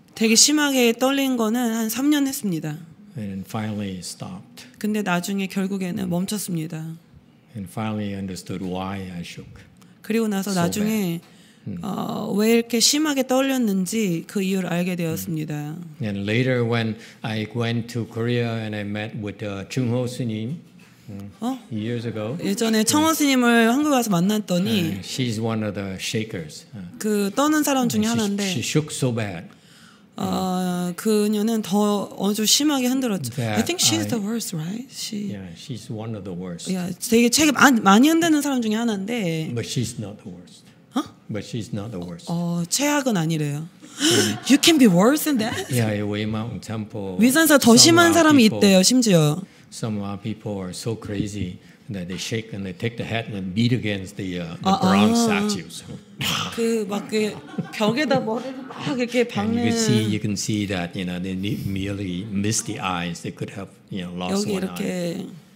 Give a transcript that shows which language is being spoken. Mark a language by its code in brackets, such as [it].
[ko] 되게 심하게 떨린 거는 한 3년 했습니다. [en] And finally stopped. [ko] 근데 나중에 결국에는 멈췄습니다. [en] And finally understood why I shook. [ko] 그리고 나서 [en] so [ko] 나중에 [en] bad. [ko] 왜 이렇게 심하게 떨렸는지 그 이유를 알게 되었습니다. [en] And later when I went to Korea and I met with Chungho Sunim years ago. [ko] 예전에 청호 스님을 한국 가서 만났더니 [en] she's one of the shakers. [ko] 그 떠는 사람 중에 하나인데 [en] she shook so bad. [ko] 그녀는 더 아주 심하게 흔들었죠. [en] I think she's the worst, right? She's one of the worst. [ko] Yeah, 되게 책임 많이 흔드는 사람 중에 하나인데 [en] but she's not the worst. But she's not the worst. [ko] 최악은 아니래요. [en] You can be worse than that. Yeah, Wei Mountain Temple. [ko] 위산사 더 심한 사람이 [en] people, [ko] 있대요, 심지어. [en] Some people are so crazy. that they shake and they take the hat and beat against the bronze statues. [ko] 그 막 그 벽에다 머리를 막 이렇게 박는. [en] And you can see that, you know, they merely missed the eyes. They could have, you know, lost one eye.